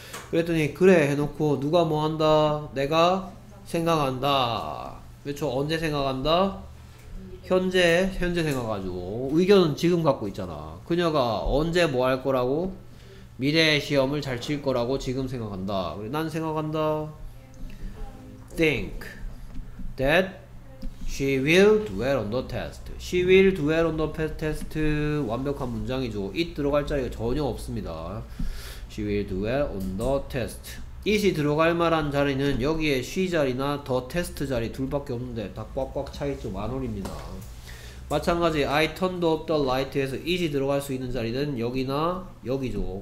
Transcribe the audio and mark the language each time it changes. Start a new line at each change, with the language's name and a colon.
Korean: 그랬더니 그래 해놓고 누가 뭐 한다? 내가 생각한다. 그렇죠. 언제 생각한다? 현재 생각하죠. 의견은 지금 갖고 있잖아. 그녀가 언제 뭐할 거라고? 미래의 시험을 잘칠 거라고 지금 생각한다. 난 생각한다.
English: Think that she will dwell on the test. She will dwell on the test.
Korean: 완벽한 문장이죠. It 들어갈 자리가 전혀 없습니다.
English: She will dwell on the test.
Korean: It이 들어갈 만한 자리는 여기에 she 자리나 the test 자리 둘밖에 없는데 다 꽉꽉 차있죠. 만원입니다. 마찬가지,
English: I turned off the light
Korean: 에서 it이 들어갈 수 있는 자리는 여기나 여기죠.